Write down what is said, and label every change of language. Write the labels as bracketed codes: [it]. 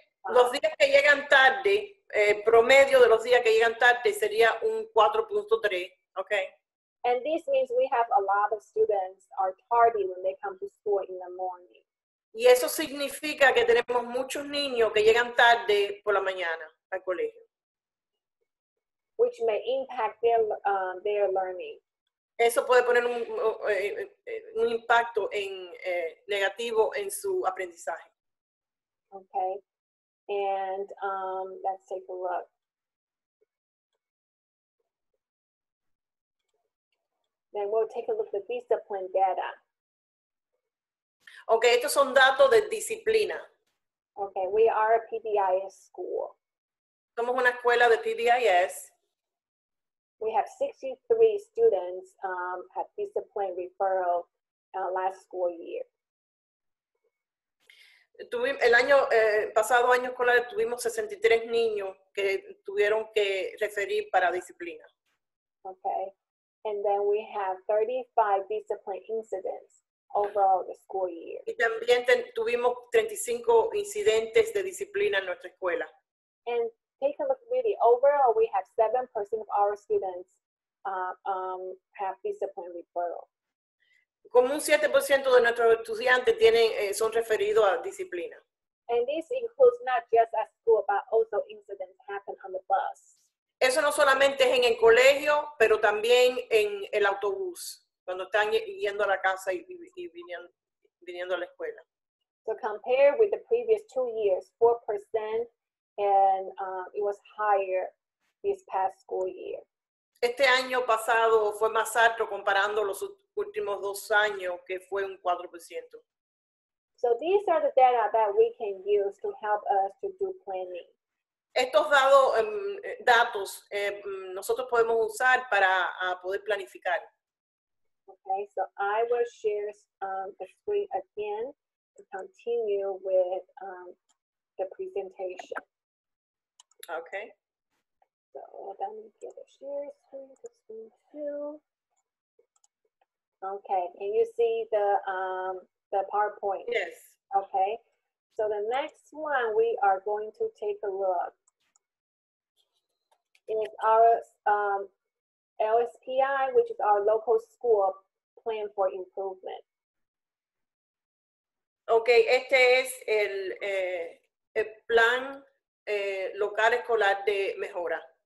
[es] Los días que llegan tarde, promedio de los días que llegan tarde sería un 4.3, okay? [en] And this means we have a lot of students are tardy when they come to school in the morning. [es] Y eso significa que tenemos muchos niños que llegan tarde por la mañana al colegio. [en] Which may impact their learning. [es] Eso puede poner un impacto en negativo en su aprendizaje. [en] Okay. And let's take a look. Then we'll take a look at the discipline data. [es] Okay, estos son datos de disciplina. [en] Okay, we are a PBIS school. [es] Somos una escuela de PBIS. [en] We have 63 students at discipline referral last school year. [es] El año pasado año escolar tuvimos 63 niños que tuvieron que referir para disciplina. [en] Okay. And then we have 35 discipline incidents overall the school year. [es] Y también tuvimos 35 incidentes de disciplina en nuestra escuela. [en] And take a look really overall we have 7% of our students have discipline referral. [es] Como un 7% de nuestros estudiantes tienen, son referidos a disciplina. [en] And this includes not just at school, but also incidents happen on the bus. [es] Eso no solamente es en el colegio, pero también en el autobús, cuando están yendo a la casa y viniendo a la escuela. [en] So compared with the previous 2 years, 4%, and it was higher this past school year. [es] Este año pasado fue más alto comparando los últimos 2 años, que fue un 4%. [en] So these are the data that we can use to help us to do planning. [es] Estos dados, datos nosotros podemos usar para poder planificar. [en] Okay, so I will share the screen again to continue with the presentation. Okay. So let me get a share screen to screen two. Okay, can you see the PowerPoint? Yes. Okay, so the next one we are going to take a look is our LSPI, which is our local school plan for improvement. [es] Okay, este es el plan local escolar de mejora.